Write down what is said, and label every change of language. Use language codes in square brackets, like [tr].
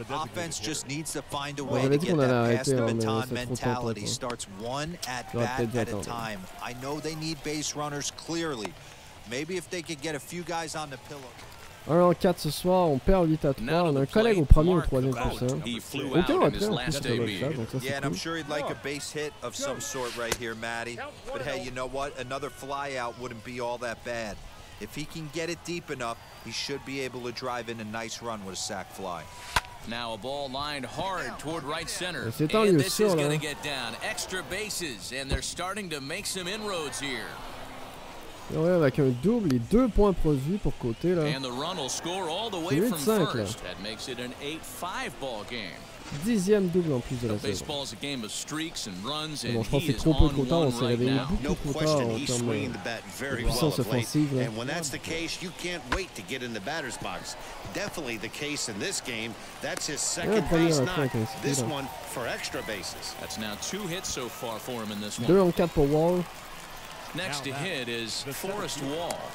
[en] Offense just needs to find a way to get that pass the baton mentality. Starts one at bat at a time. I know they need base runners clearly. Maybe if they could get a few guys on the pillow. [fr] 1 en 4 ce soir, on perd 8 à 3. On a un collègue au premier ou au troisième plus. Aucun retrait en plus avec ça, donc ça c'est cool. [en] Yeah, sure right here, but hey, you know what? Another fly out wouldn't be all that bad. If he can get it deep enough, he should be able to drive in a nice run with a sac fly. Now a ball lined hard toward right center. [fr] C'est un lieu sûr, [en] là. Get down. Extra bases, and they're starting to make some inroads here. [fr] Et ouais, avec un double et deux points produits pour Côté là. C'est 8-5 là. [en] That makes it an 8-5 ball game. [fr] Dixième double en plus de la saison. [en] Baseball's a game of streaks and runs, [fr] bon, je pense que c'est trop peu trop tard, on s'est réveillé beaucoup trop tard en termes de puissance offensive. [en] And when that's the case, you can't wait to get in the batter's box. Definitely the case in this game. That's his second base knock. This one for extra bases. That's now two hits so far for him in this one. [fr] Deux en quatre pour Wall. [en] Next to hit is Forrest Wall.